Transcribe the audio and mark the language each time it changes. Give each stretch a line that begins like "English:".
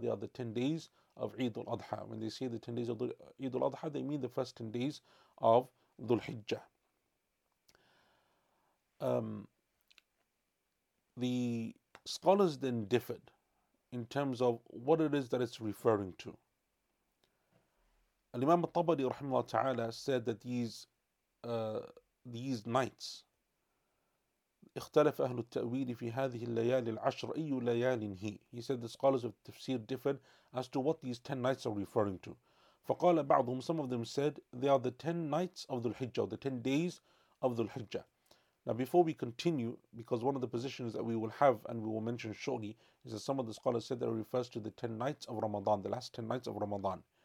English: They are the 10 days of Eid al-Adha. When they say the 10 days of Eid al-Adha, they mean the first 10 days of Dhul Hijjah. The scholars then differed in terms of what it is that it's referring to. Al-Imam al-Tabari rahimahullah ta'ala said that these nights,
Arabic: اختلف أهل التأويل في هذه الليالي العشر أي ليال هي.
English: He said the scholars of tafsir differed as to what these 10 nights are referring to.
Arabic: فقال بعضهم,
English: some of them said, they are the 10 nights of Dhul Hijjah, the 10 days of Dhul Hijjah. Now before we continue, because one of the positions that we will have and we will mention shortly is that some of the scholars said that it refers to the 10 nights of Ramadan, the last 10 nights of Ramadan.